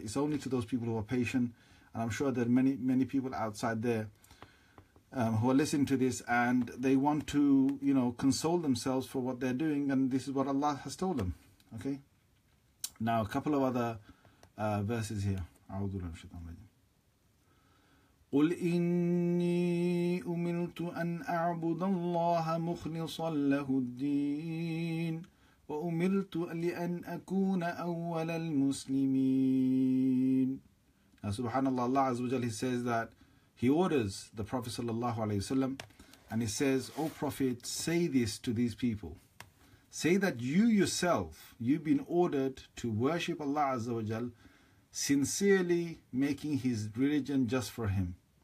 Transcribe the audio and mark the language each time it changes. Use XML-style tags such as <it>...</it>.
<en>It's only to those people who are patient, and I'm sure there are many, many people outside there who are listening to this, and they want to, you know, console themselves for what they're doing, and this is what Allah has told them. Okay? Now, a couple of other verses here.</en> <ar>أعوذ بالله من الشيطان الرجيم. قل إني أملت أن أعبد الله مخلصا له الدين وأملت لأن أكون أول المسلمين.</ar> <en>Now, subhanallah, Allah Azza wa Jalla, He says that He orders the Prophet sallallahu alayhi wa sallam, and He says, O Prophet, say this to these people. Say that you yourself, you've been ordered to worship Allah Azza wa Jalla, sincerely making His religion just for Him.</en>